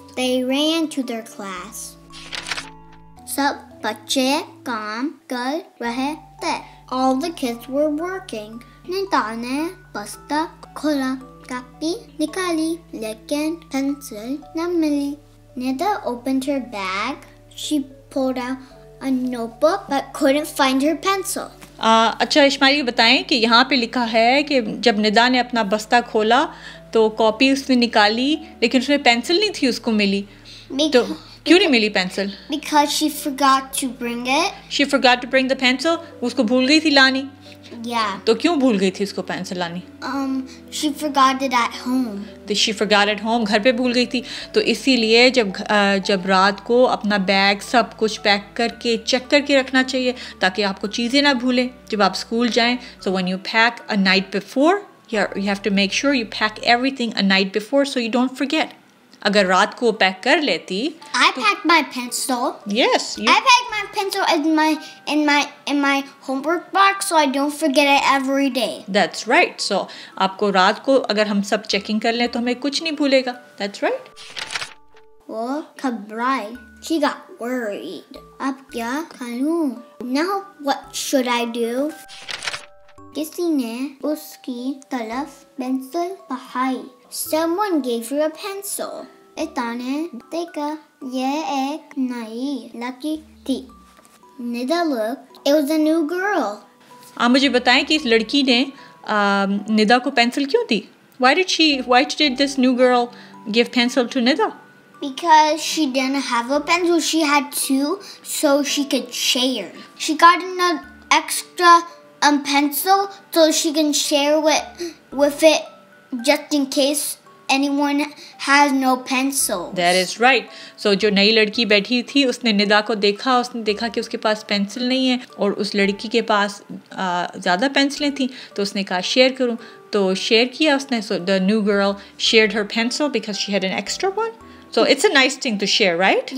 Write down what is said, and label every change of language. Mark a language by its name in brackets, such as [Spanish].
[English] They ran to their class. [Hindi] Sab bache kaam kar rahe the. [English] All the kids were working. [Hindi] Nida ne basta khola, copy nikali, lekin pencil na mili. [English] Nida opened her bag. She pulled out a notebook but couldn't find her pencil. [Hindi] अच्छा Ishmael ये बताएं कि यहाँ पे लिखा है कि जब निदा ने अपना बस्ता खोला तो कॉपी उसने निकाली लेकिन उसमें पेंसिल नहीं थी उसको मिली तो क्यों नहीं मिली pencil [English] Because she forgot to bring it. She forgot to bring the pencil. [Hindi] उसको भूल गई थी लानी [English] Yeah. [Hindi] तो क्यों भूल गई थी उसको पेंसिल लानी [English] She forgot it at home. She forgot it home. [Hindi] घर पे भूल गई थी तो इसीलिए जब रात को अपना बैग सब कुछ पैक करके चेक करके रखना चाहिए ताकि आपको चीज़ें ना भूलें जब आप स्कूल जाएं [English] So when you pack a night before, you have to make sure you pack everything a night before so you don't forget. [Hindi] अगर रात को पैक कर लेती [English] I packed my pencil. Yes. I packed my pencil in my homework box so I don't forget it every day. That's right. [Hindi] So, आपको रात को अगर हम सब चेकिंग कर लें तो हमें कुछ नहीं भूलेगा. [English] That's right. [Hindi] वो घबराई. [English] She got worried. [Hindi] अब क्या करूं? [English] Now, what should I do? [Hindi] किसी ने उसकी तरफ पेंसिल बहाई. [English] Someone gave her a pencil. [Hindi] Itane deka ye ek nayi lucky thi. [English] Nida looked. It was a new girl. [Hindi] Aap mujhe bataye ki is ladki ne Nida ko pencil kyun di? [English] Why did this new girl give pencil to Nida? Because she didn't have a pencil. She had two so she could share. She got an extra pencil so she can share with it. Just in case anyone has no pencils. That is right. [Hindi] So, जो नई लड़की बैठी थी उसने निदा को देखा उसने देखा कि उसके पास पेंसिल नहीं है और उस लड़की के पास ज़्यादा पेंसिलें थी तो उसने कहा शेयर करूँ तो शेयर किया उसने [English] so the new girl shared her pencil because she had an extra one so it's a nice thing to share right